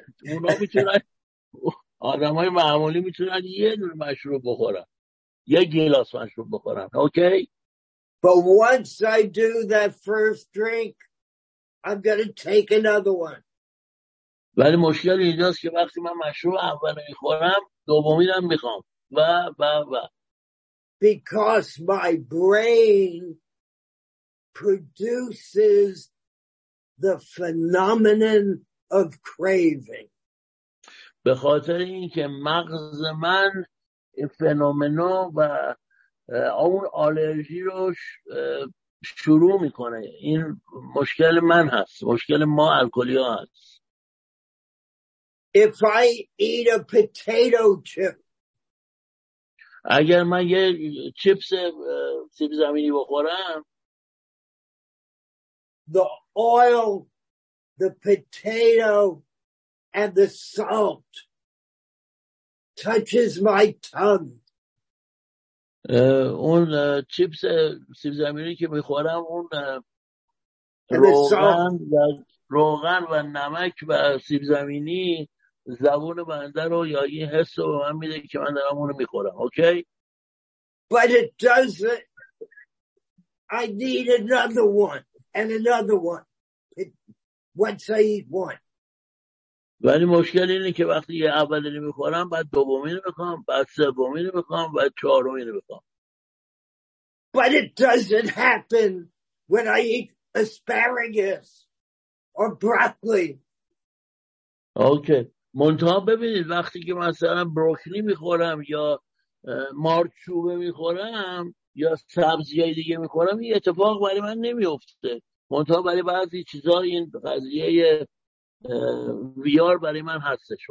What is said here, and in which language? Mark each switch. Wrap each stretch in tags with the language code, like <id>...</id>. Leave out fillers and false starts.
<fa>اونها میتونن آدمای معمولی میتونن یه دونه مشروب بخورن. یه گلاس مشروب بخورن. Okay?</fa> <en>But once I do that first drink, I'm gonna take another one.</en> <fa>ولی مشکل اینجاست که وقتی من مشروب اول میخورم دومی هم میخوام و و و</fa> <en>because my brain produces the phenomenon of craving.</en> <fa>به خاطر اینکه مغز من فنومنو و اون آلرژی رو شروع میکنه. این مشکل من هست، مشکل ما الکلی ها هست.</fa> <en>If I eat a potato chip.</en> <fa>اگر من یه چیپس سیب زمینی بخورم</fa> <en>the oil, the potato and the salt touches my tongue.</en> <fa>اون چیپس سیب زمینی که میخورم اون روغن و روغن و نمک و سیب زمینی زبون بنده رو یا این حس رو به من میده که من دارم اونو میخورم. اوکی.</fa> <en>But it doesn't. I need another one and another one. Once I eat one.</en> <fa>ولی مشکل اینه که وقتی یه اولی رو میخورم بعد دومی رو میخوام بعد سومی رو میخوام بعد چهارمی رو میخوام.</fa> <en>But it doesn't happen when I eat asparagus or broccoli.</en> <fa>اوکی. منتها ببینید وقتی که مثلا بروکلی میخورم یا مارچوبه میخورم یا سبزیای دیگه میخورم این اتفاق برای من نمیفته. منتها برای بعضی چیزا این قضیه ویار برای من هستش.</fa>